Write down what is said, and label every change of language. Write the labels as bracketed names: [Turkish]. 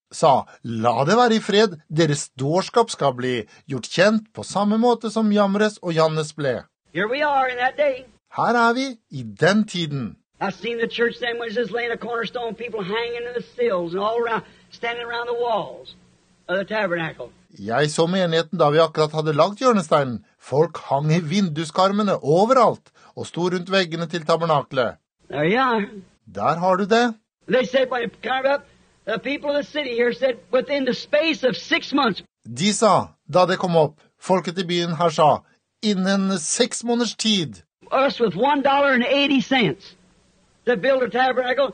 [Norwegian] Sa, la det være i fred, deres dårskap skal bli gjort kjent på samme måte som Jambres og Jannes ble. [English] Here we are in that day. [Norwegian] Her er vi i den tiden. [English] I've seen the church then when it's just laying a cornerstone, people hanging in the sills and all around, standing around the walls of the tabernacle. [Norwegian] Jeg så menigheten da vi akkurat hadde lagt hjørnesteinen. Folk hang i vindueskarmene overalt og sto rundt veggene til tabernaklet. [English] There you are. [Norwegian] Der har du det. [English] They said when it came up, the people of the city here said within the space of 6 months. [Norwegian] De sa, da det kom opp, folket i byen her sa, innen 6 måneders tid. [English] Us with $1.80 to build a tabernacle.